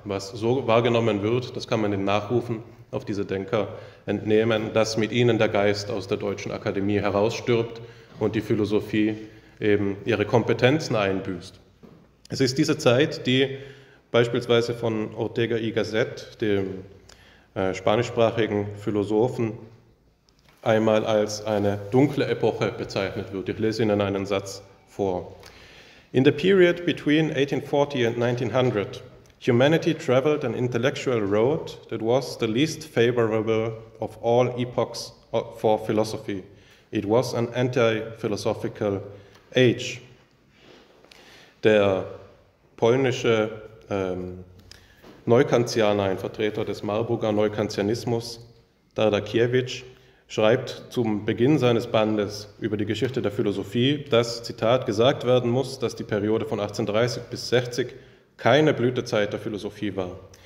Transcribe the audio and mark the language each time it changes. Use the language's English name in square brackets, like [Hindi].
[German] Was so wahrgenommen wird, das kann man dem Nachrufen auf diese Denker entnehmen, dass mit ihnen der Geist aus der Deutschen Akademie herausstirbt und die Philosophie eben ihre Kompetenzen einbüßt. Es ist diese Zeit, die beispielsweise von Ortega y Gasset, dem spanischsprachigen Philosophen, einmal als eine dunkle Epoche bezeichnet wird. Ich lese Ihnen einen Satz vor. [English] In the period between 1840 and 1900, humanity traveled an intellectual road that was the least favorable of all epochs for philosophy. It was an anti-philosophical age. [German] Der polnische Neukantianer, ein Vertreter des Marburger Neukantianismus, Dardakiewicz, schreibt zum Beginn seines Bandes über die Geschichte der Philosophie, dass, Zitat, gesagt werden muss, dass die Periode von 1830 bis 60 keine Blütezeit der Philosophie war.